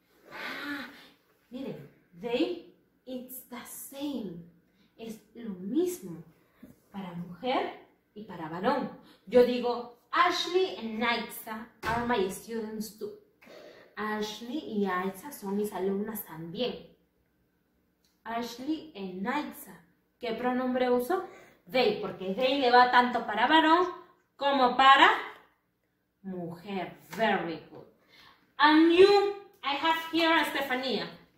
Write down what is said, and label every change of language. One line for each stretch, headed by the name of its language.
Spanish: Ah, miren,
English: they, it's the same.
Spanish: Es lo mismo para mujer y para varón. Yo digo,
English: Ashley and Aitza are my students too.
Spanish: Ashley y Aitza son mis alumnas también.
English: Ashley and Aitza.
Spanish: ¿Qué pronombre uso? They, porque they le va tanto para varón como para mujer.
English: Very good. And you, I have here a Estefanía.